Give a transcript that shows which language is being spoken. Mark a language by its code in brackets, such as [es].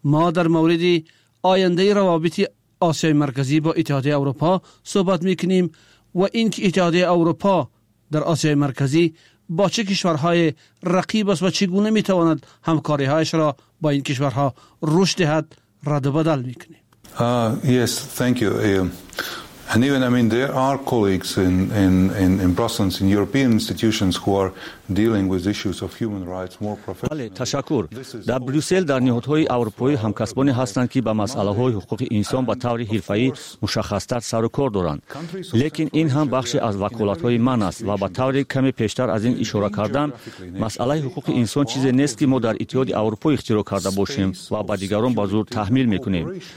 [fa] ما در مورد آینده روابط آسیای مرکزی با اتحادیه اروپا صحبت میکنیم و اینکه اتحادیه اروپا در آسیای مرکزی با چه کشورهای رقیب است و چگونه میتواند همکاری هایش را با این کشورها رشد دهد رد و بدل میکنیم. [en] Yes, thank you. And even, I mean, there are colleagues in Brussels, in European institutions who are dealing with issues of human rights more professionally. [fa] بله، تشکر. در بروسل در نهادهای اروپایی همکسبانی هستند که به مسئله های حقوق انسان به طور حرفه‌ای مشخص‌تر سر و کار دارند. لیکن این هم بخشی از وکالت های من است و به طور کمی پیشتر از این اشاره کردم، مسئله حقوق انسان چیزی نیست که ما در اتحاد اروپا اختراع کرده باشیم و به دیگران به زور تحمیل میکنیم.